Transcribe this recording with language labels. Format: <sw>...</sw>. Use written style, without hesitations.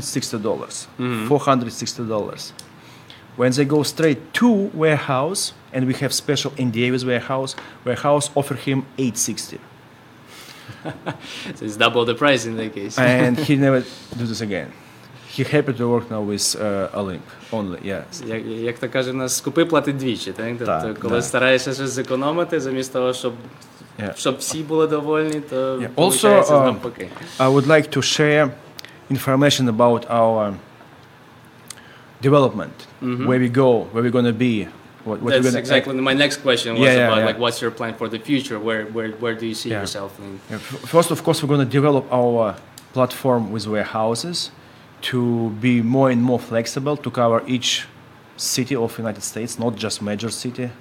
<en>Mm-hmm. $460. When they go straight to warehouse, and we have special NDA with warehouse offer him $860. So it's double the price in that case. And he never do this again. He happy to work now with Olymp only, yes.</en> <uk>Як то каже, нас скупи платить двічі, так? Тобто, коли стараєшся щось зекономити, замість того, щоб всі були довольні, то</uk> <en>Also, I would like to share information about our development, mm-hmm. where we go, where we're going to be what that's gonna, exactly my next question was like what's your plan for the future, where do you see yourself in? First of course we're going to develop our platform with warehouses to be more and more flexible to cover each city of United States, not just major city.</en>